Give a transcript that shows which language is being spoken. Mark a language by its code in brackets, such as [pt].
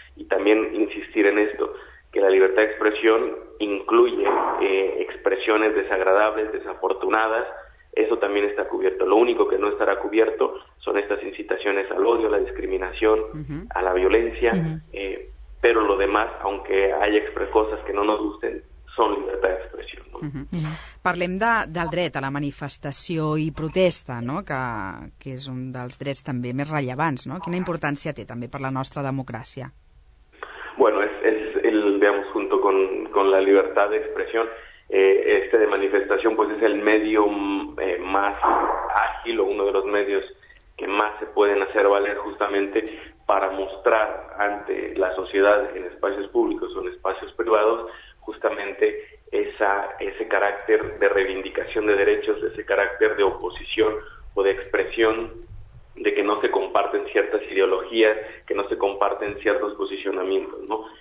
[es] Y también insistir en esto, que la libertad de expresión incluye expresiones desagradables, desafortunadas. Eso también está cubierto. Lo único que no estará cubierto son estas incitaciones al odio, a la discriminación, a la violencia. Pero lo demás, aunque haya cosas que no nos gusten, son libertad de expresión. [ca] Parlem del dret a la manifestació i protesta, no? que és un dels drets també més rellevants, no? Quina importància té també per la nostra democràcia? [es] Bueno, es el, digamos, junto con la libertad de expresión. Este de manifestación pues es el medio más ágil, o uno de los medios que más se pueden hacer valer justamente para mostrar ante la sociedad en espacios públicos o en espacios privados justamente ese carácter de reivindicación de derechos, ese carácter de oposición o de expresión de que no se comparten ciertas ideologías, que no se comparten ciertos posicionamientos, ¿no?